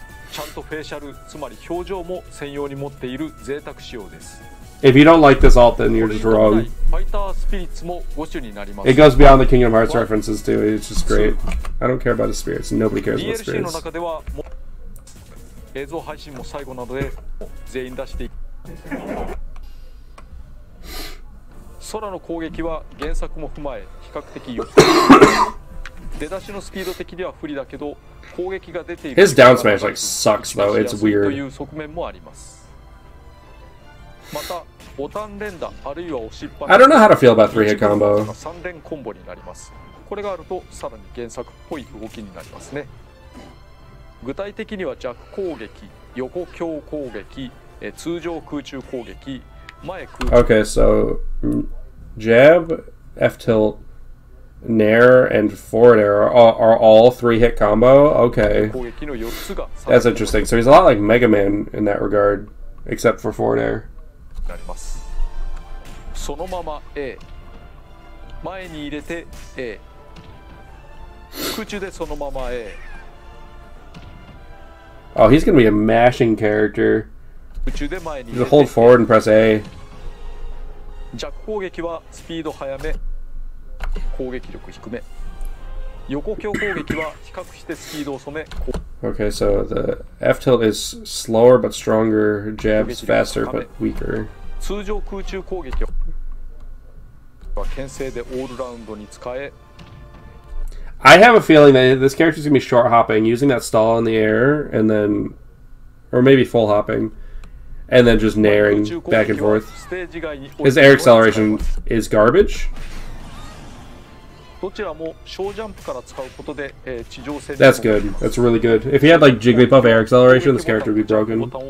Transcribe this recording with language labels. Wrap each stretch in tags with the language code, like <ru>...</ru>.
<ja>ちゃんと facial, つまり表情も専用に持っている贅沢仕様です。</ja> <en>If you don't like this alt, then you're just wrong. It goes beyond the Kingdom Hearts references too, it's just great. I don't care about the spirits, nobody cares about spirits.</en> <ja>Sora の攻撃は原作も踏まえ、比較的良い。出だしのスピード的には不利だけど、攻撃が出ている。</ja> <en>His down smash like sucks though, it's weird.</en> <ja>という側面もあります。またボタン連打あるいは押しっぱなし。</ja> <en>I don't know how to feel about 3-hit combo.</en> <ja>三連コンボになります。これがあるとさらに原作っぽい動きになりますね。具体的には弱攻撃、横強攻撃、通常空中攻撃、前空中。</ja> <en>Okay, so jab, F tilt, nair, and forward air are all 3-hit combo. Okay.</en> <ja>攻撃の4つが。</ja> <en>That's interesting. So he's a lot like Mega Man in that regard, except for forward air.</en> <ja>なります。そのまま A 前に入れて A 空中でそのまま A。</ja> <en>Oh, he's gonna be a mashing character.</en> <ja>空中で前に入れて。</ja> <en>Hold forward and press A.</en> <ja>弱攻撃はスピード早め、攻撃力低め。横強攻撃は比較してスピード遅め。</ja> <en>Okay, so the F tilt is slower but stronger, jabs faster but weaker.</en> <ja>通常空中攻撃は牽制でオールラウンドに使え。</ja> <en>I have a feeling that this character is going to be short hopping, using that stall in the air, and then, or maybe full hopping, and then just nairing back and forth. His air acceleration is garbage.</en> <ja>どちらもショージャンプから使うことで、地上戦</ja> <en>で That's good. That's really good. If he had like Jigglypuff air acceleration, this character would be broken.</en>